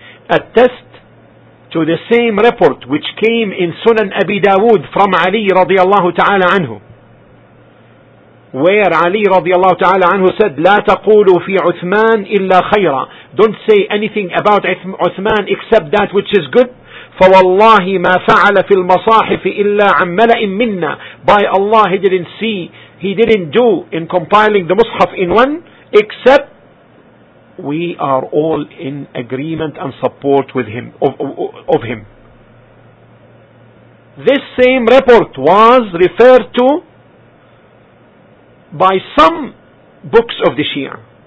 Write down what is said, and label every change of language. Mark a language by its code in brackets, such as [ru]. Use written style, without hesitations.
[en] Attest to the same report which came in Sunan Abi Dawood from Ali radiallahu ta'ala anhu, where Ali radiallahu ta'ala anhu said, [ar] لا تقولوا في عثمان إلا خيرا, [en] don't say anything about Uthman except that which is good, [ar] فوالله ما فعل في المصاحف إلا عن ملأ منا. [en] By Allah, he didn't see, he didn't do in compiling the Mus'haf in one, except we are all in agreement and support with him, of him. This same report was referred to by some books of the Shia.